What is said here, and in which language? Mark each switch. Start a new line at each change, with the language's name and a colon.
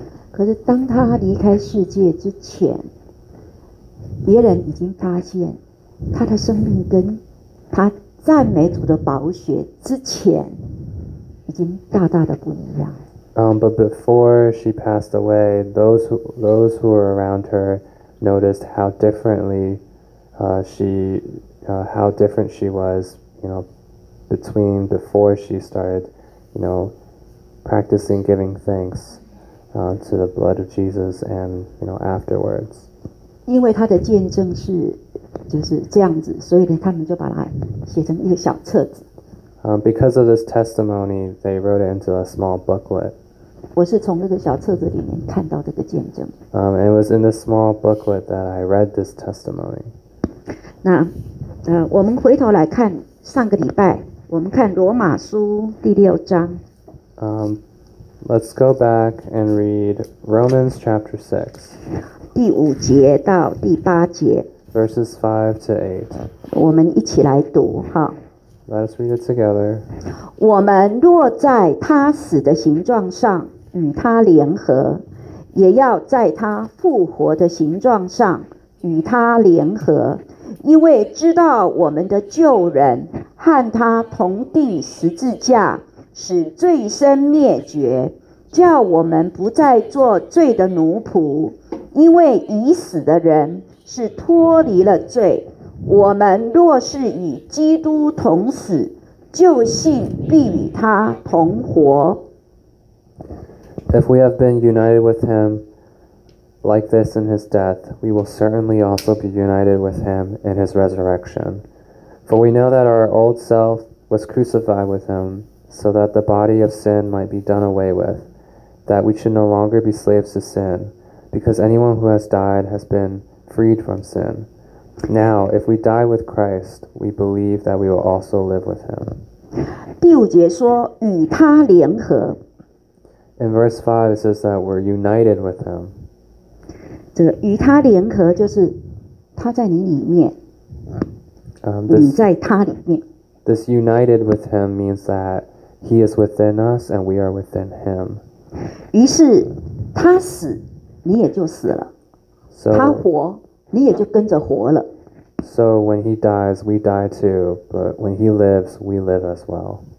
Chinese: 可是当她离开世界之前，别人已经发现她的生命跟她赞美主的宝血之前已经大大的不一样。
English: But before she passed away, those who were around her noticed how differently how different she was, you know, between before she started, you know, practicing giving thanks to the blood of Jesus and, you know, afterwards.
Chinese: 因为她的见证是就是这样子，所以呢，他们就把它写成一个小册子。
English: Because of this testimony, they wrote it into a small booklet.
Chinese: 我是从那个小册子里面看到这个见证。
English: It was in this small booklet that I read this testimony.
Chinese: 那我们回头来看上个礼拜，我们看罗马书第六章。
English: Let's go back and read Romans chapter 6.
Chinese: 第五节到第八节。
English: Verses 5-8.
Chinese: 我们一起来读哈。
English: Let us read it together.
Chinese: 我们若在他死的形状上与他联合，也要在他复活的形状上与他联合，因为知道我们的旧人和他同钉十字架，使罪身灭绝，叫我们不再做罪的奴仆，因为已死的人是脱离了罪。我们若是与基督同死，就信必与他同活。
English: If we have been united with him like this in his death, we will certainly also be united with him in his resurrection. For we know that our old self was crucified with him, so that the body of sin might be done away with, that we should no longer be slaves to sin, because anyone who has died has been freed from sin. Now, if we die with Christ, we believe that we will also live with him.
Chinese: 第五节说与他联合。
English: In verse 5, it says that we're united with him.
Chinese: 这个与他联合就是他在你里面，你在他里面。
English: This united with him means that he is within us and we are within him.
Chinese: 于是他死，你也就死了。
English: So,
Chinese: 他活，你也就跟着活了。
English: So when he dies, we die too. But when he lives, we live as well.